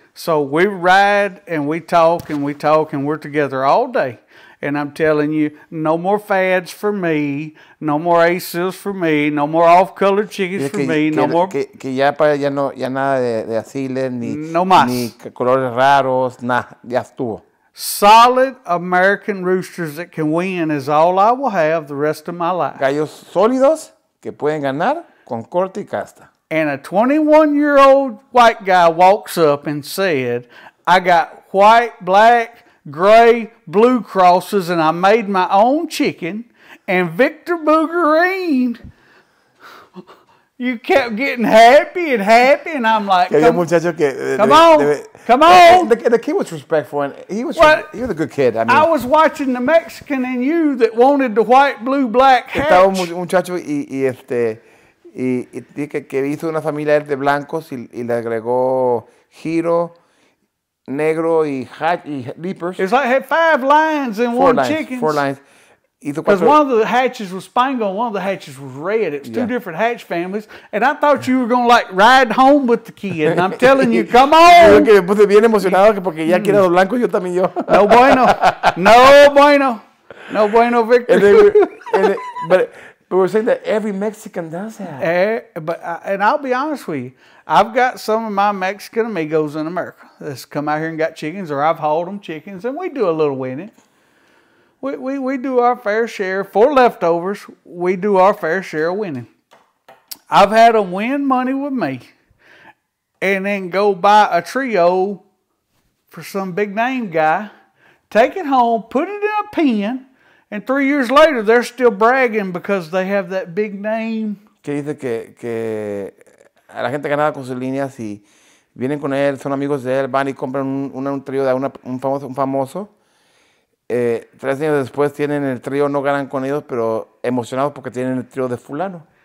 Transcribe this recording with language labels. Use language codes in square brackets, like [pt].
[en] So we ride and we talk and we talk and we're together all day. And I'm telling you, no more fads for me, no more aces for me, no more off-color chickens for me, no more. [es] Que ya para ya no ya nada de asiles ni no más. Ni colores raros, nah, ya estuvo. [en] Solid American roosters that can win is all I will have the rest of my life. [es] Gallos sólidos que pueden ganar con corte y casta. [en] And a 21-year-old white guy walks up and said, I got white, black, gray, blue crosses, and I made my own chicken. And Victor Bugarine, you kept getting happy and happy. And I'm like, come on. The kid was respectful. And he was a good kid. I mean, I was watching the Mexican in you that wanted the white, blue, black hatch. [es] Estaba un muchacho y que hizo una familia de blancos y le agregó giro. Negro y leapers. [en] It's like had five lines and four one lines, chickens. Four lines. Because one of the hatches was spangled and one of the hatches was red. It's two different hatch families. And I thought you were going to like ride home with the kid. And I'm telling you, come on. [es] Creo que me puse bien emocionado porque ya quiero los blancos, yo también yo. No bueno. No bueno. No bueno, Victor. [en] But we're saying that every Mexican does that. And I'll be honest with you. I've got some of my Mexican amigos in America that's come out here and got chickens, or I've hauled them chickens, and we do a little winning. We do our fair share. For leftovers, we do our fair share of winning. I've had them win money with me and then go buy a trio for some big-name guy, take it home, put it in a pen. And 3 years later, they're still bragging because they have that big name. [es] Que dice que a la gente ganada con sus líneas y vienen con él, son amigos de él, van y compran un trío de un famoso. Tres años después tienen el trío, no ganan con ellos, pero emocionados porque tienen el trío de fulano.